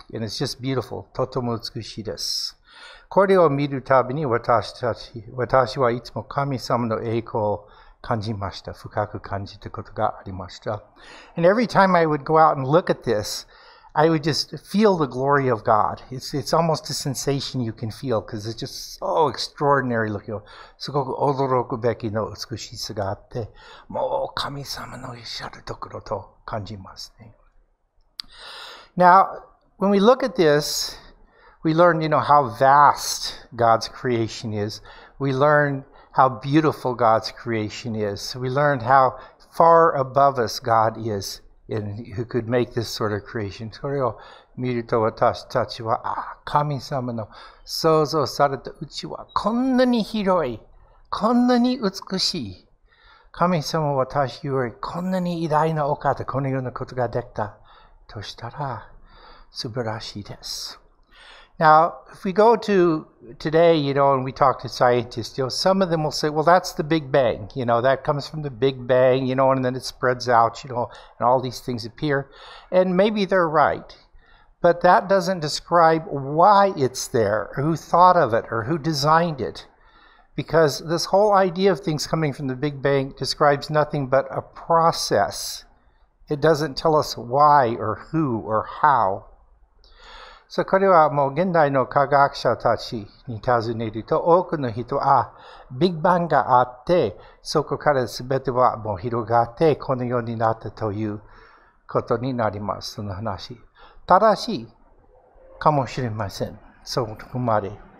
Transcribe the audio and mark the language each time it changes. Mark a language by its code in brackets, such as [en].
[en] And it's just beautiful. [ja] とても美しいです。これを見るたびに私たち、私はいつも神様の栄光感じました。深く感じたことがありました。 [en] And every time I would go out and look at this, I would just feel the glory of God. It's almost a sensation you can feel because it's just so extraordinary looking. すごく驚くべきの美しさがあって、もう神様のいらっしゃるところと感じますね。 Now, when we look at this, we learn, you know, how vast God's creation is. We learn how beautiful God's creation is. We learn how far above us God is. And who could make this sort of creation. [ja] それを見ると私たちは、ああ、神様の創造されたうちはこんなに広い、こんなに美しい。神様は私よりこんなに偉大なお方、このようなことができたとしたら、素晴らしいです。 [en] Now, if we go to today, you know, and we talk to scientists, you know, some of them will say, well, that's the Big Bang, you know, that comes from the Big Bang, you know, and then it spreads out, you know, and all these things appear. And maybe they're right, but that doesn't describe why it's there, or who thought of it, or who designed it. Because this whole idea of things coming from the Big Bang describes nothing but a process. It doesn't tell us why, or who, or how. [ja] So, これはもう現代の科学者たちに尋ねると多くの人は、ああ、ビッグバンがあって、そこから全てはもう広がって、このようになったということになります。その話。正しいかもしれません。そこまで。